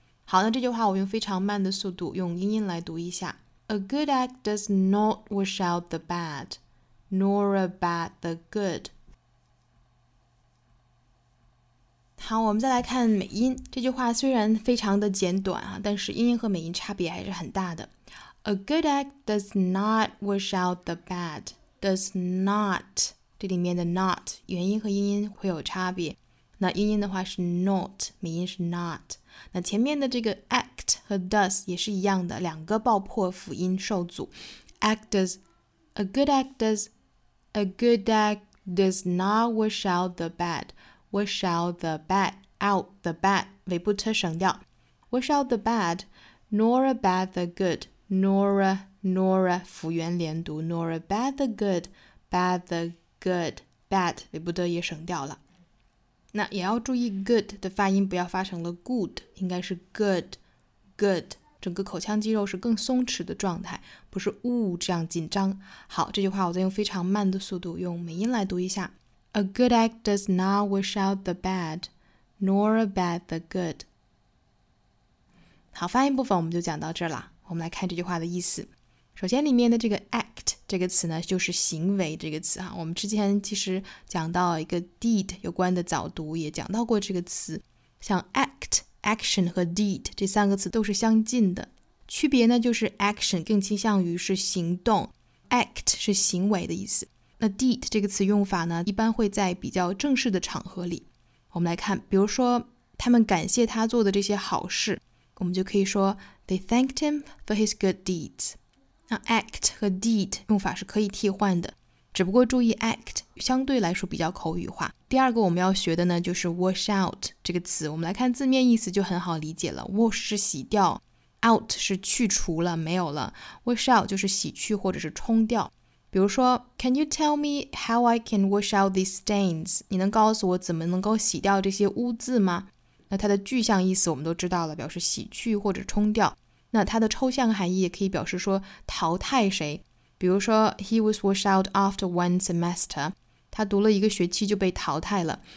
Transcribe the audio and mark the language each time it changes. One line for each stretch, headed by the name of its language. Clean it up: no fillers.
Chinese: 好，那这句话我用非常慢的速度用英音来读一下。
English: A good act does not wash out the bad, nor a bad the good.
Chinese: 好，我们再来看美音。这句话虽然非常的简短，但是英音和美音差别还是很大的。
English: A good act does not wash out the bad, does not,
Chinese: 这里面的 not 元音和英音会有差别，那英音的话是 not, 美音是 not, 那前面的这个 act 和 does 也是一样的，两个爆破辅音受阻， act does, a good act does,
English: a good act does not wash out the bad, wash out the bad, out the bad,
Chinese: 尾部 t 省掉，
English: wash out the bad, nor a bad the good, nor a
Chinese: 辅元连读，
English: nor a bad the good, bad the good, bad
Chinese: 尾部的也省掉了。那也要注意 good 的发音不要发成了 good， 应该是 good， good， 整个口腔肌肉是更松弛的状态，不是呜这样紧张。好，这句话我再用非常慢的速度用美音来读一下。
English: A good act does not wash out the bad, nor a bad the good.
Chinese: 好，发音部分我们就讲到这儿了，我们来看这句话的意思。首先里面的这个 act 这个词呢，就是行为这个词啊。我们之前其实讲到一个 deed 有关的早读，也讲到过这个词。像 act、action 和 deed 这三个词都是相近的，区别呢就是 action 更倾向于是行动， act 是行为的意思。那 deed 这个词用法呢，一般会在比较正式的场合里。我们来看，比如说他们感谢他做的这些好事，我们就可以说
English: they thanked him for his good deeds。
Chinese: 那 act 和 deed 用法是可以替换的，只不过注意 act 相对来说比较口语化。第二个我们要学的呢就是 wash out 这个词，我们来看字面意思就很好理解了。 wash 是洗掉， out 是去除了，没有了， wash out 就是洗去或者是冲掉。比如说
English: Can you tell me how I can wash out these stains?
Chinese: 你能告诉我怎么能够洗掉这些污渍吗？那它的具象意思我们都知道了，表示洗去或者冲掉。那它的抽象含义也可以表示说淘汰谁，比如说
English: He was washed out after one semester，
Chinese: 他读了一个学期就被淘汰了。